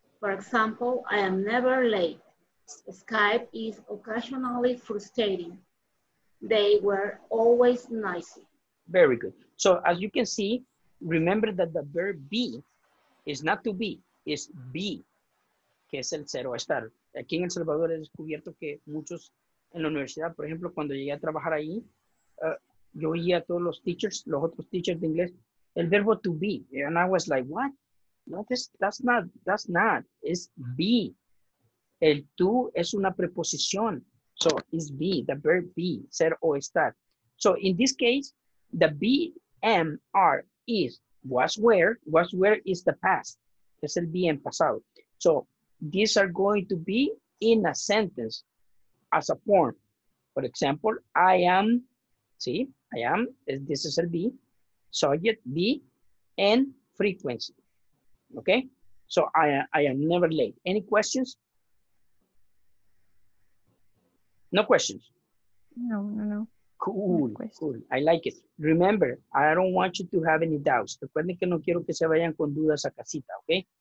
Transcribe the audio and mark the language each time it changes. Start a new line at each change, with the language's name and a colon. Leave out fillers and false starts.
English: For example, I am never late. Skype is occasionally frustrating. They were always noisy. Very good. So as you can see, remember that the verb be is not to be, it's be.
Spanish: Que es el cero estar. Aquí en El Salvador he descubierto que muchos en la universidad, por ejemplo, cuando llegué a trabajar ahí, yo oía a todos los teachers, los otros teachers de inglés, el verbo to be.
English: And I was like, what? No, that's not. It's be.
Spanish: El to es una preposición.
English: So it's be, the verb be,
Spanish: ser o estar.
English: So in this case, the be, am, are, is, was, where is the past.
Spanish: Es el be en pasado.
English: So these are going to be in a sentence as a form. For example, I am, see, I am, this is a be, subject, be, and frequency. Okay? So I am never late. Any questions? No questions? No. Cool. I like it. Remember, I don't want you to have any doubts.
Spanish: Recuerden que no quiero que se vayan con dudas a casita, okay?